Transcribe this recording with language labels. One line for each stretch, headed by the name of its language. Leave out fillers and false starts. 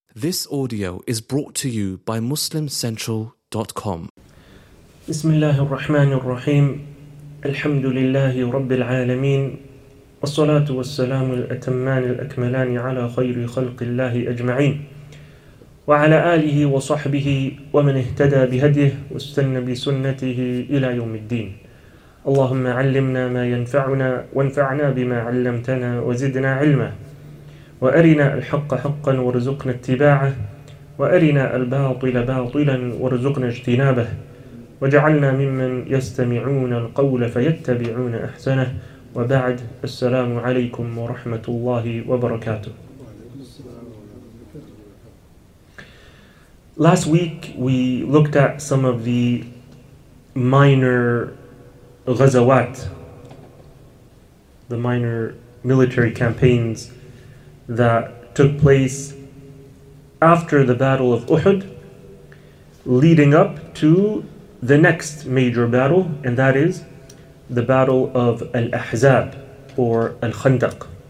English: This audio is brought to you by MuslimCentral.com.
Arabic: بسم الله الرحمن الرحيم الحمد لله رب العالمين والصلاة والسلام الأتمان الأكملان على خير خلق الله أجمعين وعلى آله وصحبه ومن اهتدى بهديه واستنى بسنته إلى يوم الدين اللهم علمنا ما ينفعنا وانفعنا بما علمتنا وزدنا علما وأرنا الحق حقا وارزقنا اتباعه وأرنا الباطل باطلا وارزقنا اجتنابه وجعلنا ممن يستمعون القول فيتبعون أحسنه وبعد السلام عليكم ورحمة الله وبركاته.
English: Last week we looked at some of the minor غزوات, the minor military campaigns that took place after the Battle of Uhud, leading up to the next major battle, and that is the Battle of Al-Ahzab or Al-Khandaq.